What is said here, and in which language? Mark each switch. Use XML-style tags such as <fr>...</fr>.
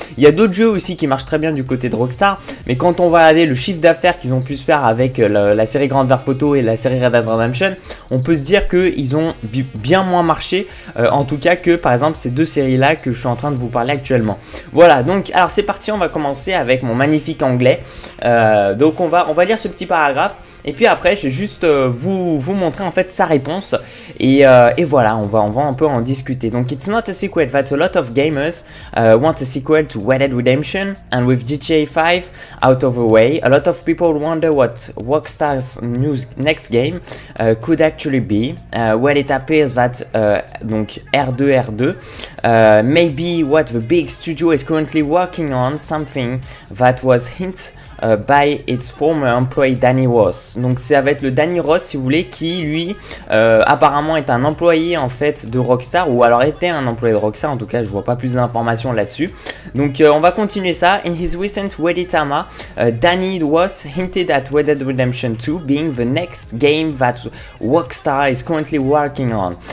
<fr>Il y a d'autres jeux aussi qui marchent très bien du côté de Rockstar, mais quand on va regarder le chiffre d'affaires qu'ils ont pu se faire avec la série Grand Theft Auto et la série Red Dead Redemption, on peut se dire qu'ils ont bien moins marché, en tout cas que par exemple ces deux séries là que je suis en train de vous parler actuellement. Voilà, donc alors c'est parti, on va commencer avec mon magnifique anglais. Donc on va lire ce petit paragraphe et puis après je vais juste vous montrer en fait sa réponse, et voilà, on va un peu en discuter. Donc</fr> <en>it's not a secret that a lot of gamers want a sequel to Red Dead Redemption, and with GTA 5 out of the way, a lot of people wonder what Rockstar new next game could actually be. Well, it appears that R2 maybe what the big studio is currently working on, something that was hint by its former employee Danny Ross.</en> <fr>Donc ça va être le Danny Ross, si vous voulez, qui lui apparemment est un employé en fait de Rockstar, ou alors était un employé de Rockstar, en tout cas je vois pas plus d'informations là-dessus. Donc on va continuer ça.</fr> <en>In his recent Redditama, Danny Ross hinted at Red Dead Redemption 2 being the next game that Rockstar is currently working on.</en>